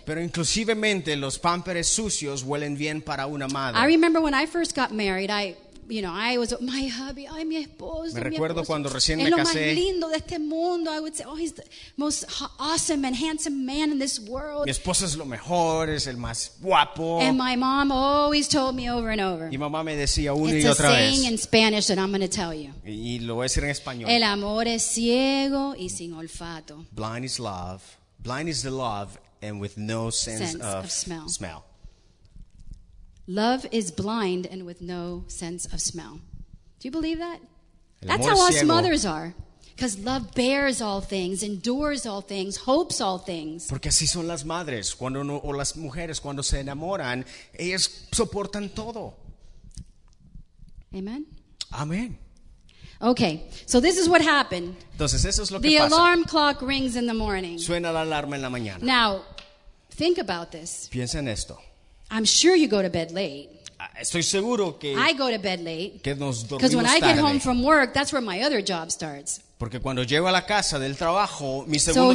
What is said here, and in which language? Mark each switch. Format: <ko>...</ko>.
<es>Pero inclusivemente los pampers sucios huelen bien para una madre.</es> <en>I remember when I first got married, I you know, I was my hubby,</en> <es>ay, mi esposo, me recuerdo mi esposo. Cuando recién es me casé. Es lo más lindo de este mundo.</es> <en>I would say, oh, he's the most awesome and handsome man in this world.</en> <es>Mi esposo es lo mejor, es el más guapo.</es> <en>And my mom always told me over and over.</en> <es>Y mamá me decía una y otra vez.</es> <en>It's a saying in Spanish that I'm going to tell you.</en> <es>Y lo voy a decir en español. El amor es ciego y sin olfato.</es> <en>Blind is love. Blind is the love and with no sense of smell. Smell. Love is blind and with no sense of smell. Do you believe that? That's how us mothers are. Because love bears all things, endures all things, hopes all things.</en> <es>Porque así son las madres, cuando uno, o las mujeres, cuando se enamoran, ellas soportan todo.</es> <en>Amen. Amen. Okay, so this is what happened.</en> <es>Entonces, eso es lo</es> <en>the</en> <es>que</es> <en>alarm</en> <es>pasa.</es> <en>Clock rings in the morning.</en> <es>Suena la alarma en la mañana.</es> <en>Now, think about this.</en> <es>Piensa en esto.</es> <en>I'm sure you go to bed late.</en> <es>Estoy seguro que</es> <en>I go to bed late.</en> <es>Que nos dormimos</es> <en>Because when</en> <es>tarde.</es> <en>I get home from work, that's where my other job starts.</en> <es>Porque cuando llego a la casa del trabajo, mi segundo</es>